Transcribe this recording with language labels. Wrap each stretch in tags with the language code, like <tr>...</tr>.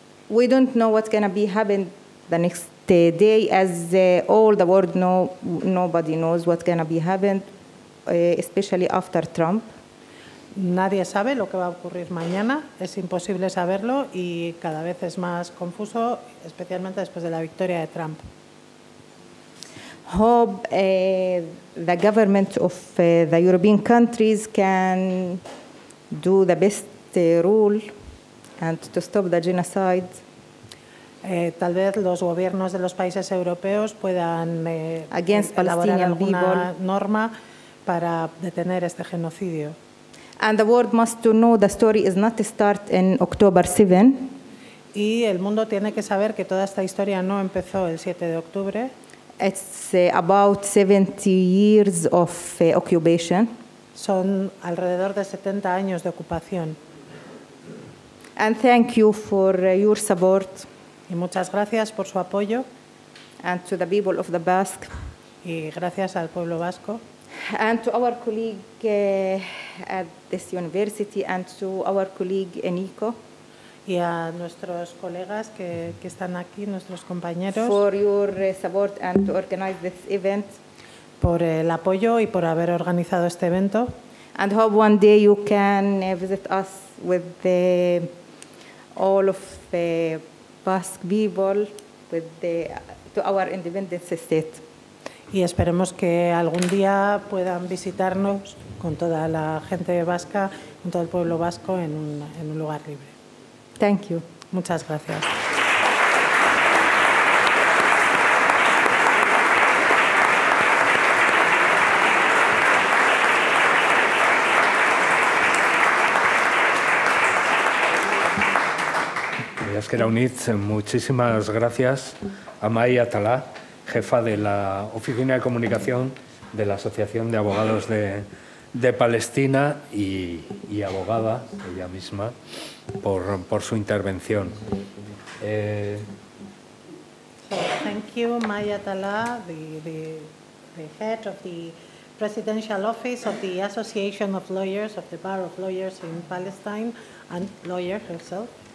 <en>We don't know what's going to be happening the next day, as all the world nobody knows what's going to be happening, especially after Trump.</en> <es>Nadie sabe lo que va a ocurrir mañana. Es imposible saberlo y cada vez es más confuso, especialmente después de la victoria de Trump.</es> <en>Hope the government of the European countries can do the best rule and to stop the genocide.</en> <es>Tal vez los gobiernos de los países europeos puedan elaborar alguna norma para detener este genocidio.</es> <en>And the world must to know the story is not to start in October 7.</en> <es>Y el mundo tiene que saber que toda esta historia no empezó el 7 de octubre.</es> <en>It's about 70 years of occupation.</en> <es>Son alrededor de 70 años de ocupación.</es> <en>And thank you for your support.</en> <es>Y muchas gracias por su apoyo.</es> <en>And to the people of the Basque.</en> <es>Y gracias al pueblo vasco.</es> <en>And to our colleague at this university and to our colleague Eniko.</en> <es>y a nuestros colegas que están aquí, nuestros compañeros,</es> <en>for your support and to organize this event,</en> <es>por el apoyo y por haber organizado este evento.</es> <en>And hope one day you can visit us with the, all of the Basque people with the, to our independence state.</en> <es>Y esperemos que algún día puedan visitarnos con toda la gente vasca, con todo el pueblo vasco en un lugar libre.</es> <en>Thank you.</en> <es>Muchas gracias. Es que era UNITZ. Muchísimas gracias a Mai Atalá, jefa de la Oficina de Comunicación de la Asociación de Abogados de Palestina y abogada, ella misma, por su intervención.</es> <en>Thank you, Mai Atalá, the head of the Presidential Office of the Association of Lawyers, of the Bar of Lawyers in Palestine, and lawyer herself.</en>